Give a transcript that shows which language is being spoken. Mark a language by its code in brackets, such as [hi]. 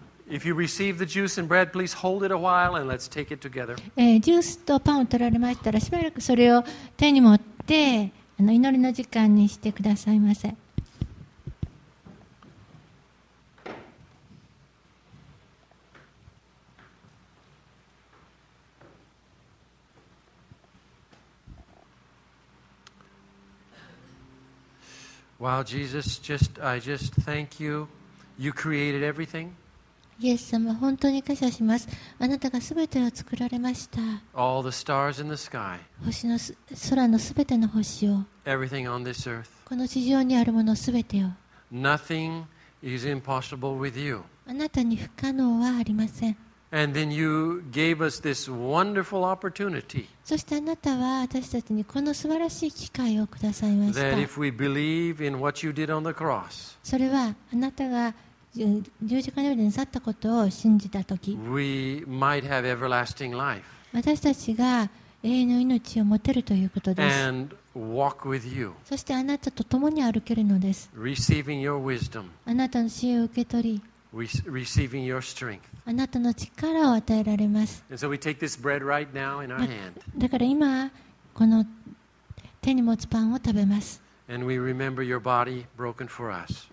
[en] If you receive the juice and bread, please hold it a while and let's take it together. [ja] ジュースとパンを取られましたら、しばらくそれを手に持って祈りの時間にしてくださいませ。 [en] Wow, Jesus, just I just thank you. You created everything. [ja] イエス様、本当に感謝します。あなたがすべてを作られました。 [en] All the stars in the sky. [ja] 空のすべての星を。 [en] Everything on this earth. [ja] この地上にあるものすべてを。 [en] Nothing is impossible with you. [ja] あなたに不可能はありません。 [en] And then you gave us this wonderful opportunity. [ja] そしてあなたは私たちにこの素晴らしい機会をくださいました。 [en] That if we believe in what you did on the cross. [ja] それはあなたが十字架の上でなさったことを信じたとき、 [en] We might have everlasting life. [ja] 私たちが永遠の命を持てるということです。 [en] And walk with you. [ja] そしてあなたと共に歩けるのです。 [en] Receiving your wisdom. [ja] あなたの知恵を受け取り、 [en] Receiving your strength. [ja] あなたの力を与えられます。 [en] And so we take this bread right now in our hand. [ja] だから今この手に持つパンを食べます。 [en] And we remember your body broken for us.